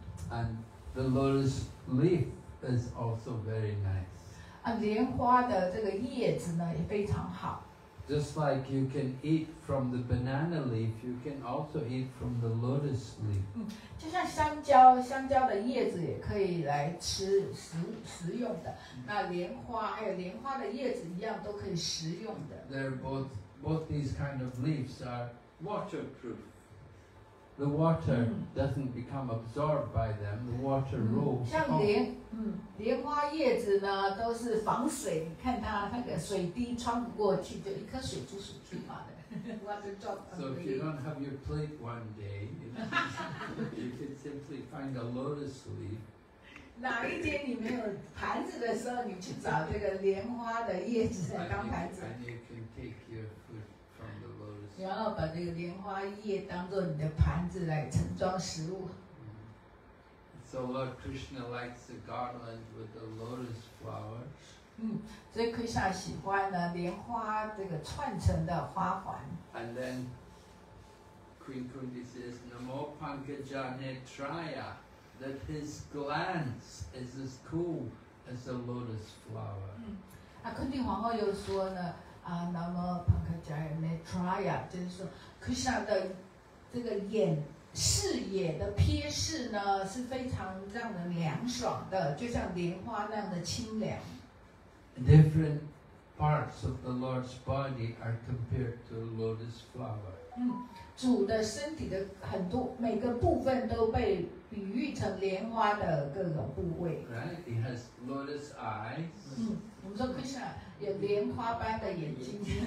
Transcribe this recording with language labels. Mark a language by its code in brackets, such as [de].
[en] And the lotus leaf is also very nice. [zh] 啊，莲花的这个叶子呢也非常好。 [en] Just like you can eat from the banana leaf, you can also eat from the lotus leaf. [zh] 就像香蕉，香蕉的叶子也可以来吃食用的。那莲花还有莲花的叶子一样都可以食用的。 [en] They're both these kind of leaves are waterproof. The water doesn't become absorbed by them. The water rolls. [zh] 像莲花叶子呢，都是防水。你看它那个水滴穿不过去，就一颗水珠水珠嘛的。 [en] So if you don't have your plate one day, you can simply find a lotus leaf. [zh] 哪一天你没有盘子的时候，你去找这个莲花的叶子当盘子。 [en] And you can take your food. [zh] 然后把这个莲花叶当作你的盘子来盛装食物。 [en] So Lord Krishna likes the garland with the lotus flowers. [zh] 所以 Krishna 喜欢呢莲花这个串成的花环。 [en] And then Queen Kunti says, "Namo Pankajane Traya, that his glance is as cool as a lotus flower." [zh] 啊，昆蒂皇后又说呢。那么庞克加耶内特拉雅就是说 Krishna 的这个眼视野的瞥视呢是非常让人凉爽的，就像莲花那样的清凉。 [en] Different parts of the Lord's body are compared to the lotus flower. [zh] 主的身体的很多每个部分都被比喻成莲花的各个部位。 [en] Right, he has lotus eyes. [zh] 我们说 Krishna有莲花般的眼睛